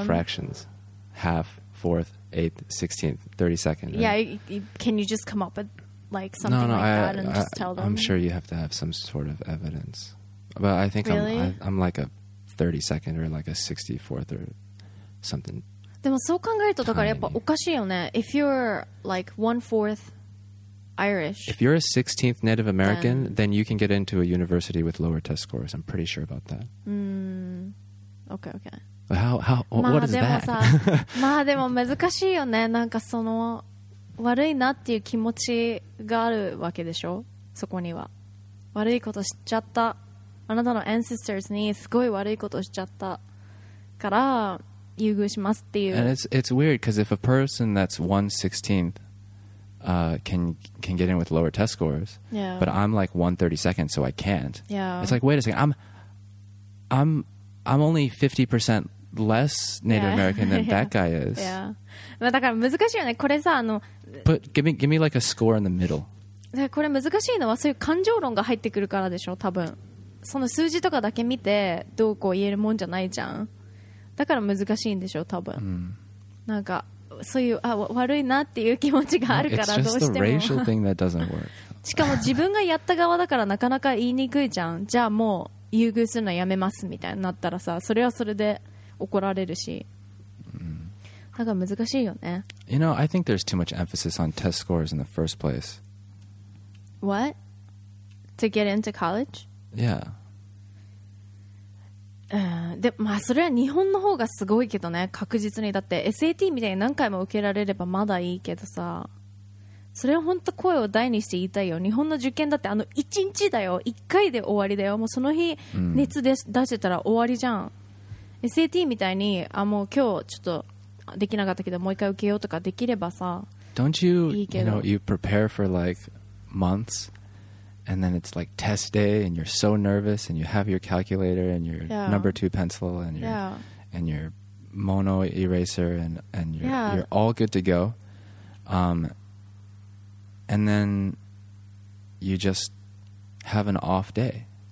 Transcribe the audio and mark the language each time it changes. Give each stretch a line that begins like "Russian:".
English: In fractions. Half, fourth, eighth, 16th, 32nd. Yeah. Can you just come up with like something like I, that and I, just tell them? I'm sure you have to have some sort of evidence. But I think、 really? I'm like a 32nd or like a 64th or something.
Japanese: でもそう考えるとだからやっぱおかしいよね。
English: If you're like 1/4 Irish, if you're a 16th Native American, then you can get into a university with lower test scores. I'm pretty sure about that. Okay. How what is that?
Japanese: まあでも難しいよね。なんかその悪いなっていう気持ちがあるわけでしょ。そこには悪いことしちゃった。あなたの ancestors にすごい悪いことしちゃったから。優遇しますっていう
English: And it's weird because if a person that's 1/16th can get in with lower test scores yeah. but I'm like 1/32nd so I can't yeah. it's like wait a second I'm only 50% less Native yeah. American than yeah. that guy is yeah.
Japanese: まあだから難しいよねこれさあの
English: But give me like a score in the middle
Japanese: これ難しいのはそういう感情論が入ってくるからでしょ多分その数字とかだけ見てどうこう言えるもんじゃないじゃんだから難しいんでしょう多分、 mm. なんかそういうあ悪いなっていう気持ちがあるからどうしても
English: It's just the racial thing that doesn't work.
Japanese: しかも自分がやった側だからなかなか言いにくいじゃんじゃあもう優遇するのやめますみたいになったらさそれはそれで怒られるし、 mm. だから難しいよね
English: You know, I think there's too much emphasis on test scores in the first place. What? To get into college? Yeah.
Japanese: でまあ、それは日本の方がすごいけどね確実にだって SAT みたいに何回も受けられればまだいいけどさそれは本当声を大にして言いたいよ日本の受験だってあの1日だよ1回で終わりだよもうその日熱で出してたら終わりじゃん、うん、SAT みたいにあもう今日ちょっとできなかったけどもう一回受けようとかできればさ
English: Don't you,
Japanese: いいけど
English: you know, you prepare for like months? And then it's like test day, and you're so nervous, and you have your calculator and your yeah. number two pencil and your yeah. and your mono eraser, and you're, yeah. you're all good to go. And then you just have an off day.